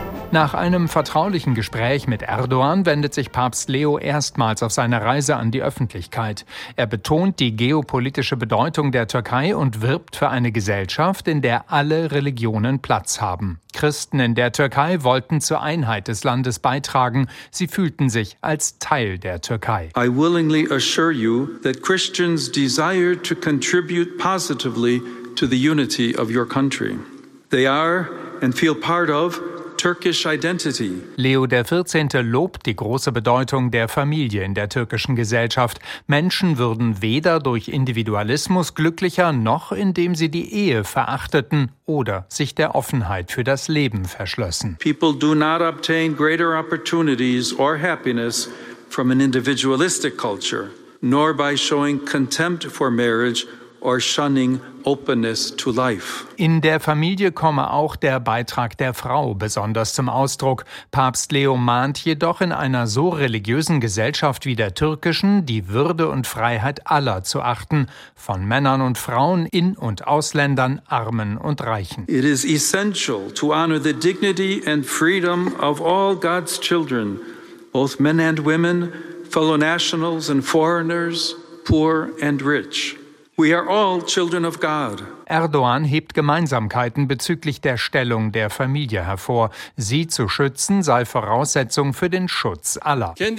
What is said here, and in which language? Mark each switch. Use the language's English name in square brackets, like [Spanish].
[German] Nach einem vertraulichen Gespräch mit Erdogan wendet sich Papst Leo erstmals auf seiner Reise an die Öffentlichkeit. Er betont die geopolitische Bedeutung der Türkei und wirbt für eine Gesellschaft, in der alle Religionen Platz haben. Christen in der Türkei wollten zur Einheit des Landes beitragen. Sie fühlten sich als Teil der Türkei. [English] I willingly assure you that Christians desire to contribute positively to the unity of your country. They are and feel part of Turkish Identity. [German] Leo XIV. Lobt die große Bedeutung der Familie in der türkischen Gesellschaft. Menschen würden weder durch Individualismus glücklicher, noch indem sie die Ehe verachteten oder sich der Offenheit für das Leben verschlössen. [English] People do not obtain greater opportunities or happiness from an individualistic culture, nor by showing contempt for marriage or shunning openness to life. [German] In der Familie komme auch der Beitrag der Frau besonders zum Ausdruck. Papst Leo mahnt jedoch, in einer so religiösen Gesellschaft wie der türkischen, die Würde und Freiheit aller zu achten, von Männern und Frauen, In- und Ausländern, Armen und Reichen. [English] It is essential to honor the dignity and freedom of all God's children, both men and women, fellow nationals and foreigners, poor and rich. We are all children of God. [German] Erdogan hebt Gemeinsamkeiten bezüglich der Stellung der Familie hervor. Sie zu schützen sei Voraussetzung für den Schutz aller.